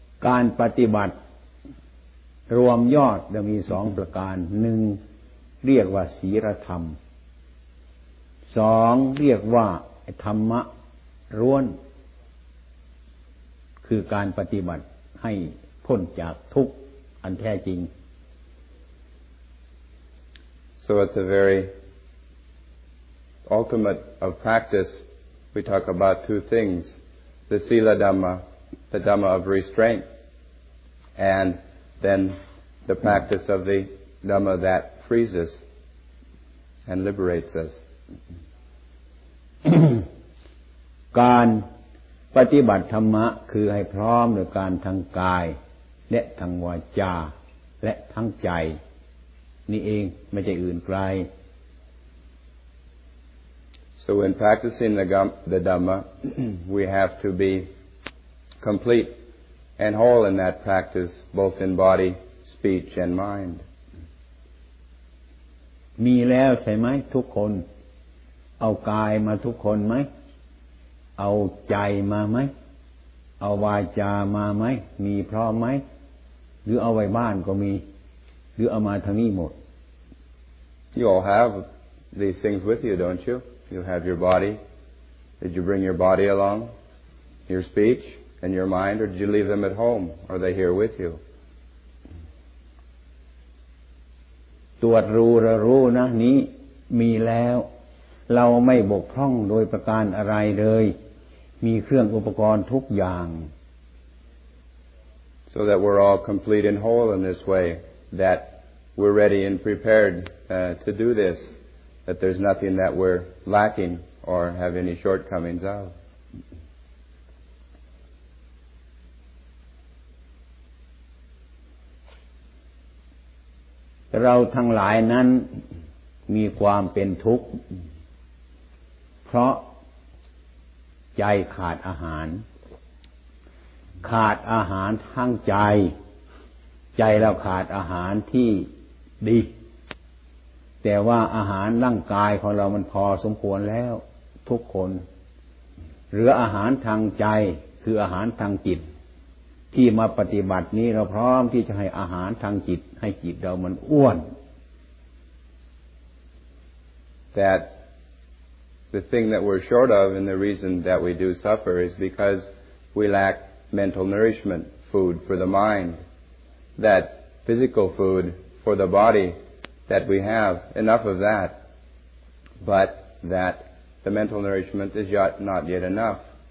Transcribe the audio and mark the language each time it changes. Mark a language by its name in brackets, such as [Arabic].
[Thai] การปฏิบัติรวมยอดจะมี2ประการ1เรียกว่าศีลธรรม2เรียกว่าธรรมะร้วนคือการปฏิบัติให้พ้นจากทุกข์อันแท้จริง [English] So it's a veryultimate of practice we talk about two things the sila dhamma the dhamma of restraint and then the practice of the dhamma that frees us and liberates us [Thai] การปฏิบัติธรรมะคือให้พร้อมด้วยการทางกายและทางวาจาและทางใจ นี่เองไม่ใช่อื่นไกล [English] So when practicing the Dhamma we have to be complete and whole in that practice both in body speech and mind [Thai] มีแล้วใช่ไหมทุกคนเอากายมาทุกคนไหมเอาใจมาไหมเอาวาจามาไหมมีพร้อมไหมหรือเอาไว้บ้านก็มีหรือเอามาทางนี้หมด [English] You all have these things with you, don't you? You have your body. Did you bring your body along? Your speech and your mind, or did you leave them at home? Are they here with you? [Thai] ตรวจรู้ระรู้นะนี้มีแล้วเราไม่บกพร่องโดยประการอะไรเลยมีเครื่องอุปกรณ์ทุกอย่าง [English] So that we're all complete and whole in this way, that we're ready and prepared to do this, that there's nothing that we're lacking or have any shortcomings of. [Thai] เราทั้งหลายนั้นมีความเป็นทุกข์เพราะใจขาดอาหารขาดอาหารทั้งใจใจเราขาดอาหารที่ดี แต่ว่าอาหารร่างกายของเรามันพอสมควรแล้วทุกคนเหลืออาหารทางใจคืออาหารทางจิตที่มาปฏิบัตินี้เราพร้อมที่จะให้อาหารทางจิตให้จิตเรามันอ้วน [English] thatThe thing that we're short of and the reason that we do suffer is because we lack mental nourishment, food for the mind, that physical food for the body that we have, enough of that, but that the mental nourishment is yet not yet enough.